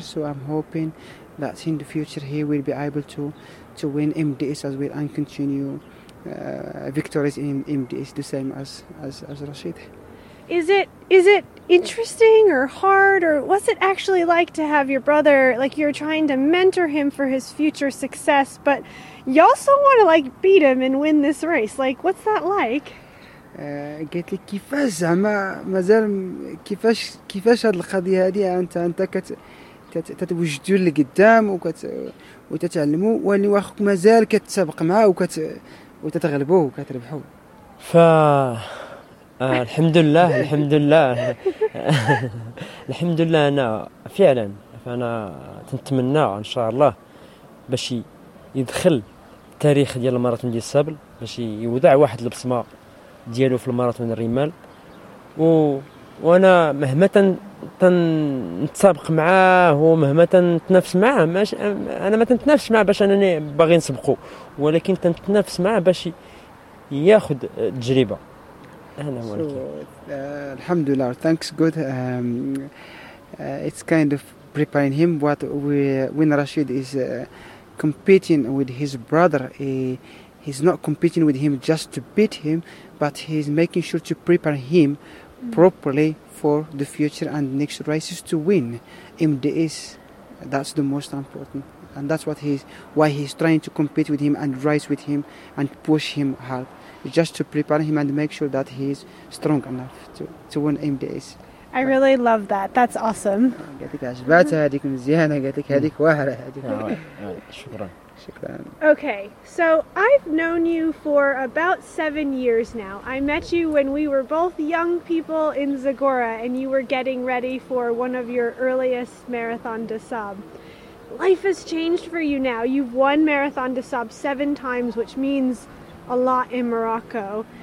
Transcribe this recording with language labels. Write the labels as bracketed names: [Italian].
[English] So I'm hoping that in the future he will be able to win MDS as well and continue victories in MDS the same as Rachid. Is it interesting or hard, or what's it actually like to have your brother, like you're trying to mentor him for his future success, but you also want to like beat him and win this race? Like, what's that like? [Arabic] قلت لك كيفاش زعما مازال كيفاش هاد القضيه هذه انت كتوجدوا لقدام وتتعلموا واللي واخوك مازال كتسابق معاه وتتغلبوه وكتربحوه ف الحمد لله الحمد لله الحمد لله انا فعلا فانا تنتمنى ان شاء الله باش يدخل التاريخ ديال الماراثون ديال الصبل باش يوضع واحد البصمه ديالو في الماراثون الرمال وانا مهما تنتسابق معاه ومهما تنتنافس معاه ماشي انا ما تنتنافسش معاه باش انني باغي نسبقو ولكن تنتنافس معاه باش ياخذ التجربه. [English] Alhamdulillah, thanks God. It's kind of preparing him. What we when Rashid is competing with his brother, he's not competing with him just to beat him, but he's making sure to prepare him properly for the future and next races to win MDS. That's the most important, and that's what he's trying to compete with him and race with him and push him hard. Just to prepare him and make sure that he's strong enough to win MDS. I really love that. That's awesome. [Arabic] قالت لك عجبتها هذيك مزيانه قالت لك هذيك واعره هذيك. شكرا. شكرا. [English] Okay, so I've known you for about 7 years now. I met you when we were both young people in Zagora and you were getting ready for one of your earliest Marathon des Sables. Life has changed for you now. You've won Marathon des Sables 7 times, which means a lot in Morocco.